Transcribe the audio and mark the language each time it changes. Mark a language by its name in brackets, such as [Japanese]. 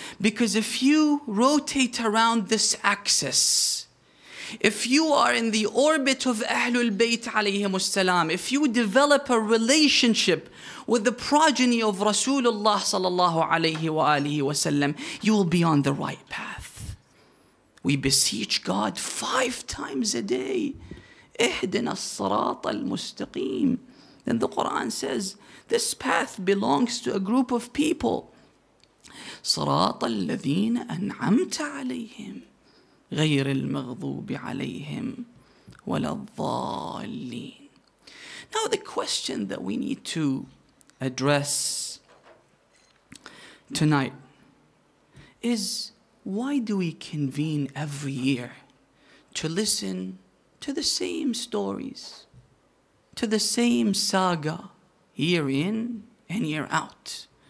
[English] Because if you rotate around this axis, if you are in the orbit of Ahlul Bayt alayhim as-salam, if you develop a relationship with the progeny of Rasulullah sallallahu alayhi wa alihi wa sallam, you will be on the right path. We beseech God 5 times a day, [Arabic] اهدنَا الصراط المستقيم. [English] Then the Quran says, this path belongs to a group of people. [Arabic] صراط الذين أنعمت عليهم غير المغضوب عليهم ولا الضالين. [English] Now the question that we need to address tonight is, why do we convene every year to listen to the same stories, to the same saga, year in and year out?